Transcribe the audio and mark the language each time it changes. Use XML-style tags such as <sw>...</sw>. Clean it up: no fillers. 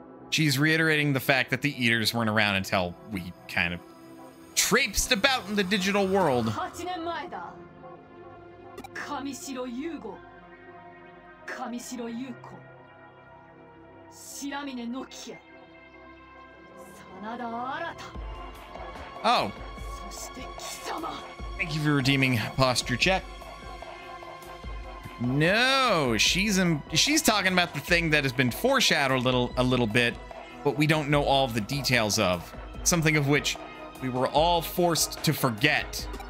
<en>She's reiterating the fact that the eaters weren't around until we kind of traipsed about in the digital world.</en> <ja>8年前だ。上白優子。上白優子。白峰ノキア。真田新太。</ja> <en>Thank you for redeeming posture check. No, she's talking about the thing that has been foreshadowed a little bit, but we don't know all of the details of. Something of which we were all forced to forget.</en>